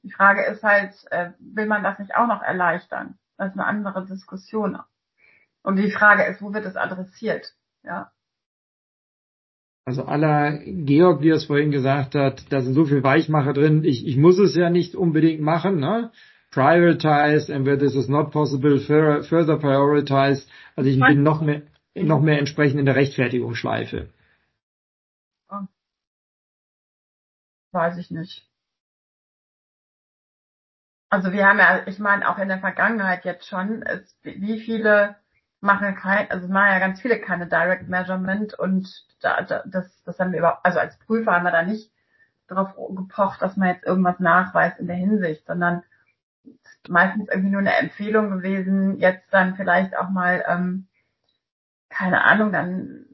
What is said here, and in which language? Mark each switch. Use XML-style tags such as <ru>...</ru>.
<de>Die Frage ist halt, will man das nicht auch noch erleichtern? Das ist eine andere Diskussion. Und die Frage ist, wo wird es adressiert? Ja. Also à la Georg, wie er es vorhin gesagt hat, da sind so viele Weichmacher drin, ich muss es ja nicht unbedingt machen, ne?</de> <en>Prioritize, and where this is not possible, further prioritize.</en> <de>Also ich bin noch mehr entsprechend in der Rechtfertigungsschleife. Oh. Weiß ich nicht. Also wir haben ja, ich meine auch in der Vergangenheit jetzt schon, wie viele machen ja ganz viele keine Direct Measurement und das haben wir überhaupt, also als Prüfer haben wir da nicht darauf gepocht, dass man jetzt irgendwas nachweist in der Hinsicht, sondern meistens irgendwie nur eine Empfehlung gewesen, jetzt dann vielleicht auch mal keine Ahnung, dann.</de>